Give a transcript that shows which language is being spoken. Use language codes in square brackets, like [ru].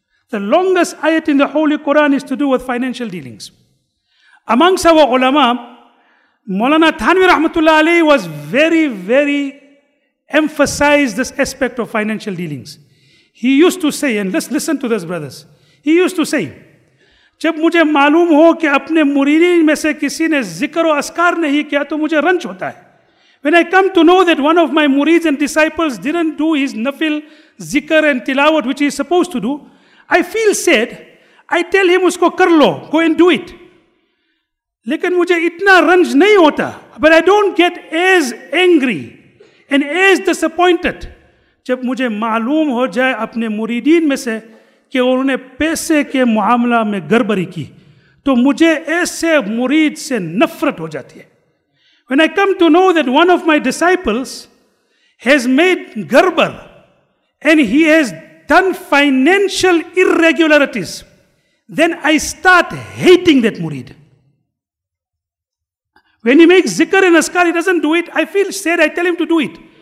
[en] The longest ayat in the Holy Quran is to do with financial dealings. Amongst our ulama, Maulana Thanvi Rahmatullah Ali was very, very emphasized this aspect of financial dealings. He used to say, and let's listen to this, brothers. He used to say, [ur] جب مجھے معلوم ہو کہ اپنے مریدین میں سے کسی نے ذکر و اذکار نہیں کیا تو مجھے رنج ہوتا ہے. [en] When I come to know that one of my murids and disciples didn't do his nafil, zikr and tilawat, which he is supposed to do, I feel sad. I tell him, [ur] اس کو کر لو, [en] go and do it. [ur] لیکن مجھے اتنا رنج نہیں ہوتا. [en] But I don't get as angry and as disappointed [ur] جب مجھے معلوم ہو جائے اپنے مریدین میں سے کہ انہوں نے پیسے کے معاملہ میں گڑبڑی کی, تو مجھے ایسے مرید سے نفرت ہو جاتی ہے. [en] When I come to know that one of my disciples has made garbar and he has done financial irregularities, then I start hating that murid. When he makes zikr and askar, he doesn't do it, I feel sad, I tell him to do it.